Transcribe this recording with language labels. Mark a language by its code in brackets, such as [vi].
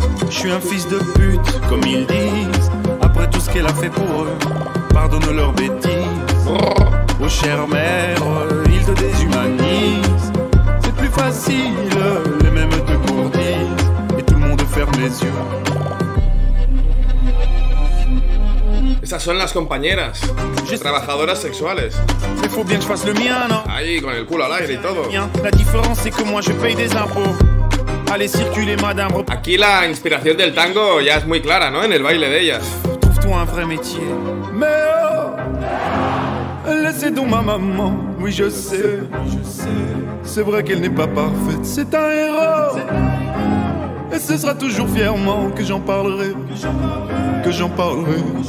[fr] Je suis un fils de pute, comme ils disent. Après tout ce qu'elle a fait pour eux, pardonne leurs bêtises. Oh chère mère, ils te déshumanisent. C'est plus facile, les mêmes te courtisent. Et tout le monde ferme les yeux. [es] Estas son las compañeras, trabajadoras sexuales. [fr] Mais faut bien que je fasse le mien, non? [es] Ahí, con el culo al aire y todo. [fr] La différence c'est que moi je paye des impôts. Allez, circuler, madame. [es] Aquí la inspiración del tango ya es muy clara, ¿no? En el baile de ellas. [fr] Trouve-toi un vrai métier. Mais oh, laissez donc ma maman. Oui, je sais. Je sais. C'est vrai qu'elle n'est pas parfaite. C'est un héros. Et ce sera toujours fièrement que j'en parlerai. Que j'en parlerai.